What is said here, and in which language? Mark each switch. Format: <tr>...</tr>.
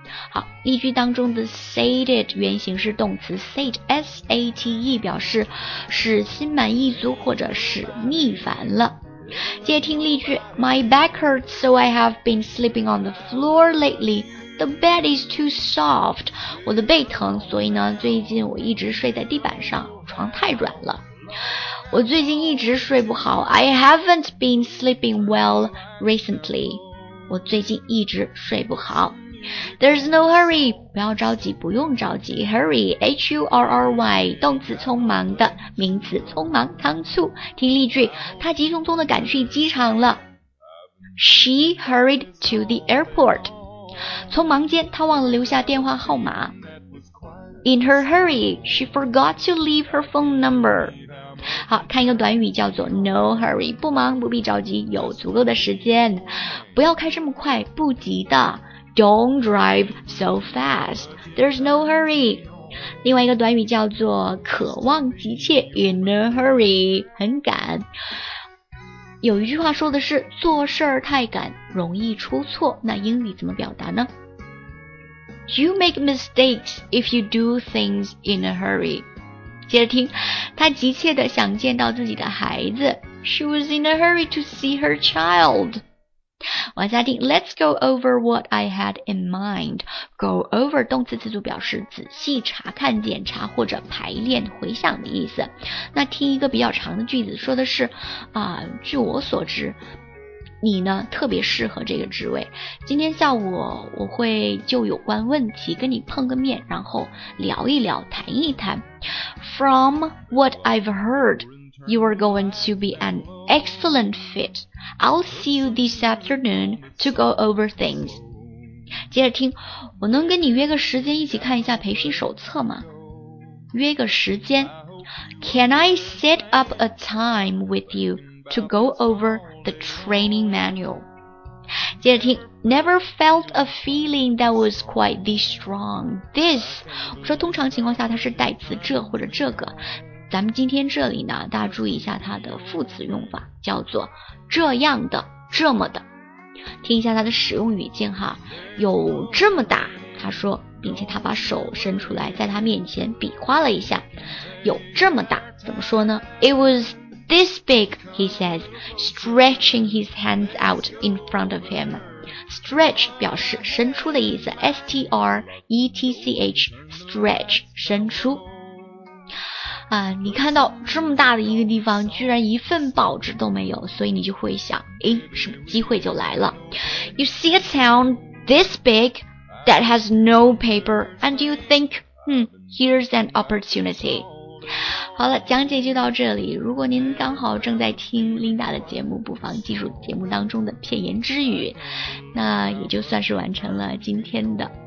<zh>好，例句当中的 sated 原型是动词 sate， S-A-T-E 表示使心满意足或者使腻烦了。接听例句，</zh> <en>My back hurts so I have been sleeping on the floor lately. The bed is too soft.</en> <zh>我的背疼，所以呢最近我一直睡在地板上，床太软了。我最近一直睡不好，</zh> <en>I haven't been sleeping well recently.</en> <zh>我最近一直睡不好。</zh> <en>There's no hurry，</en> <zh>不要着急，不用着急。 Hurry， H-U-R-R-Y， 动词匆忙的，名词匆忙仓促。听例句，他急匆匆地赶去机场了，</zh> <en>She hurried to the airport，</en> <zh>匆忙间他忘了留下电话号码。</zh> <en>In her hurry she forgot to leave her phone number。</en> <zh>好，看一个短语叫做</zh> <en>No hurry，</en> <zh>不忙不必着急，有足够的时间，不要开这么快，不急的。</zh> <en>Don't drive so fast. There's no hurry.</en> <zh>另外一个短语叫做渴望急切，</zh> <en>in a hurry，</en> <zh>很赶。有一句话说的是做事儿太赶容易出错，那英语怎么表达呢？</zh> <en>You make mistakes if you do things in a hurry.</en> <zh>接着听，他急切地想见到自己的孩子，</zh> <en>She was in a hurry to see her child.</en> <zh>往下听，</zh> <en>Let's go over what I had in mind.</en> <zh>Go over 动词词组表示仔细查看、检查或者排练、回想的意思。那听一个比较长的句子，说的是据我所知你呢特别适合这个职位，今天下午我会就有关问题跟你碰个面，然后聊一聊、谈一谈。</zh> <en>From what I've heardYou are going to be an excellent fit. I'll see you this afternoon to go over things.</en> <zh>接着听，我能跟你约个时间一起看一下培训手册吗？约个时间。</zh> <en>Can I set up a time with you to go over the training manual?</en> <zh>接着听，</zh> <en>Never felt a feeling that was quite this strong.</en> <zh>This, 我说通常情况下它是代词这或者这个。咱们今天这里呢，大家注意一下它的副词用法，叫做这样的、这么的。听一下它的使用语境哈，有这么大，他说，并且他把手伸出来，在他面前比划了一下，有这么大，怎么说呢？</zh> <en>It was this big, he says, stretching his hands out in front of him.</en> <zh>Stretch 表示伸出的意思， S-T-R-E-T-C-H, stretch, 伸出。你看到这么大的一个地方居然一份报纸都没有，所以你就会想，诶，什么机会就来了。</zh> <en>You see a town this big that has no paper and you think, here's an opportunity.</en> <zh>好了，讲解就到这里，如果您刚好正在听 Linda 的节目，不妨记住节目当中的片言之语，那也就算是完成了今天的</zh>